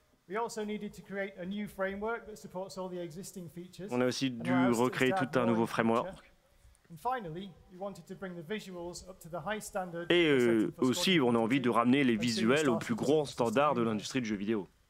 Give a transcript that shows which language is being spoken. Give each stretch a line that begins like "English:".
English: We also needed to create a new framework that supports all the existing features.
French: On a aussi dû recréer tout un nouveau framework.
English: And finally, we wanted to bring the visuals up to the high standard.
French: Et aussi, on a envie de ramener les visuels au plus grand standard de l'industrie du jeu vidéo.